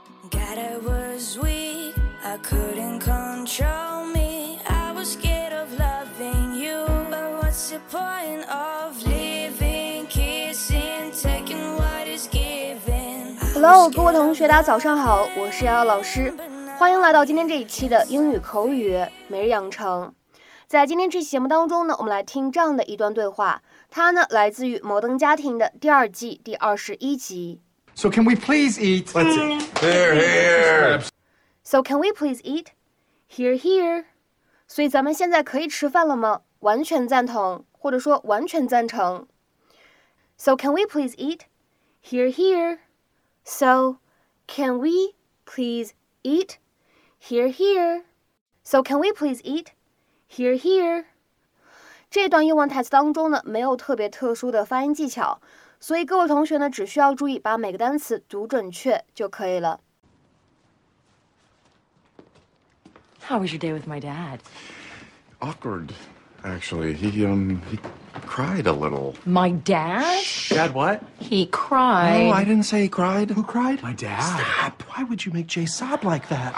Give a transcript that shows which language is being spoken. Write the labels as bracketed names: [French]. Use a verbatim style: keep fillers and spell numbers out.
[English] that I was weak, I couldn't control me, I was scared of loving you. But what's the point of living, kissing, taking what is given? [Chinese] Hello， 各位同学大家早上好，我是瑶瑶老师，欢迎来到今天这一期的英语口语每日养成。在今天这期节目当中呢，我们来听这样的一段对话，它呢来自于《摩登家庭》的第二季第二十一集。 [English] So can we please eat? Let's eat. Here, here. So can we please eat? Here, here. [Chinese] 所以咱们现在可以吃饭了吗？完全赞同，或者说完全赞成。 [English] So can we please eat? Here, here. So can we please eat? Here, here. So can we please eat? Here, here. [Chinese] 这段英文台词当中呢，没有特别特殊的发音技巧，所以各位同学呢，只需要注意把每个单词读准确就可以了。 [English] How was your day with my dad? Awkward, actually. He um he cried a little. My dad? Dad what? He cried. No, I didn't say he cried. Who cried? My dad. Stop. Why would you make Jay sob like that?